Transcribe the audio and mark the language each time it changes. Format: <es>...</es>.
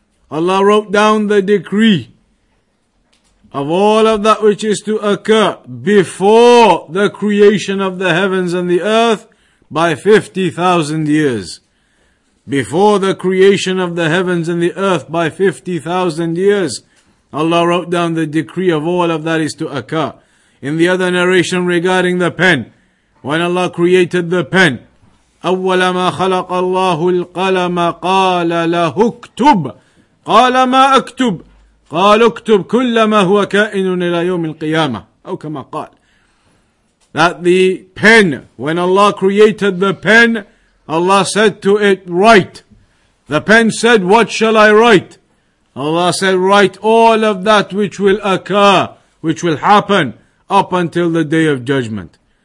<en>Allah wrote down the decree of all of that which is to occur before the creation of the heavens and the earth, by 50,000 years. Before the creation of the heavens and the earth by 50,000 years, Allah wrote down the decree of all of that is to occur. In the other narration regarding the pen,</en> <ar>when Allah created the pen, أول ما خلق الله القلم قال له اكتب قال ما اكتب قال اكتب كل ما هو كائن إلى يوم القيامة أو كما قال.</ar> <en>That the pen, when Allah created the pen, Allah said to it, write. The pen said, what shall I write? Allah said, write all of that which will occur, which will happen up until the day of judgment.</en>